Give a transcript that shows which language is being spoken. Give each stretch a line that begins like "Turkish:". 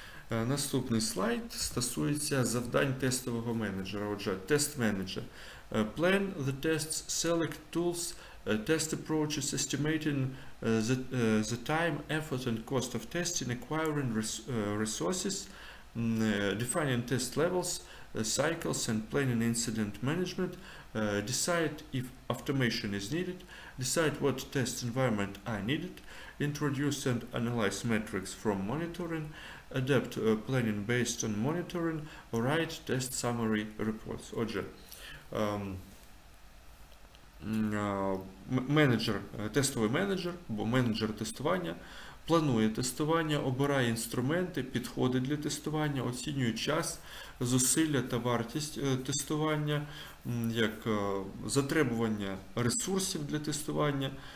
Ukrainian: Наступний слайд стосується завдань тестового менеджера. Отже, тест-менеджер.
English: Plan the tests, select tools, test approaches, estimating the time, effort and cost of testing, acquiring resources, defining test levels, cycles and planning incident management, decide if automation is needed, decide what test environment are needed, introduce and analyze metrics from monitoring, adapt planning based on monitoring, write test summary reports.
Ukrainian: Отже, тестовий менеджер, бо менеджер тестування, планує тестування, обирає інструменти, підходи для тестування, оцінює час, зусилля та вартість тестування, як затребування ресурсів для тестування,